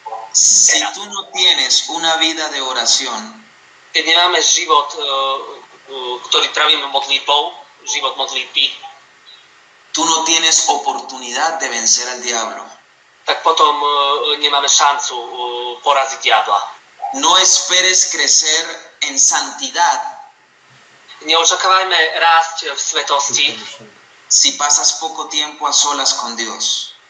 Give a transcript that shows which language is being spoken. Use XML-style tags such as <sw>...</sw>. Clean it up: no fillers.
<es>Si tú no tienes una vida de oración,</es> <sk>keď nemáme život, ktorý trávime modlitbou, život modlitby,</sk> <es>tú no tienes oportunidad de vencer al diablo.</es> <sk>Tak potom nemáme šancu poraziť diabla.</sk> <es>No esperes crecer en santidad.</es> <sk>Neočakávajme rásť v svetosti.</sk> <es>Si pasas poco tiempo a solas con Dios.</es>